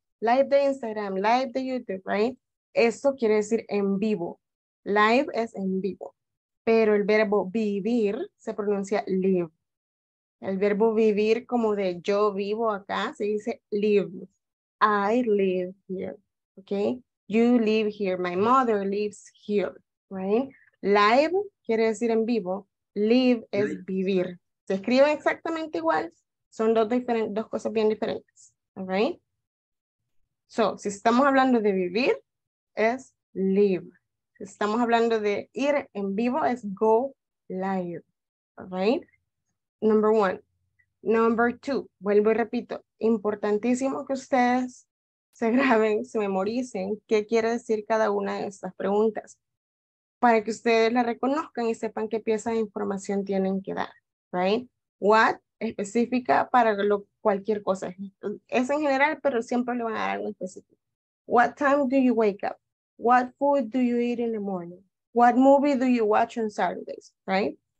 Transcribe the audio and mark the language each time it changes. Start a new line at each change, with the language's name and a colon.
Spanish: Live de Instagram, live de YouTube, right? Eso quiere decir en vivo. Live es en vivo. Pero el verbo vivir se pronuncia live. El verbo vivir como de yo vivo acá, se dice live.
English: I live here, okay? You live here, my mother lives here, right?
Spanish: Live quiere decir en vivo, live es vivir. Se escriben exactamente igual, son dos cosas bien diferentes,
English: all right?
Spanish: So, si estamos hablando de vivir, es live. Si estamos hablando de ir en vivo, es
English: go live, all right? Number one. Number two,
Spanish: vuelvo y repito, importantísimo que ustedes se graben, se memoricen qué quiere decir cada una de estas preguntas, para que ustedes la reconozcan y sepan qué pieza de información tienen que dar, right? What, específica para cualquier cosa. Es en general, pero siempre le van a dar algo específico.
English: What time do you wake up? What food do you eat in the morning? What movie do you watch on Saturdays, right?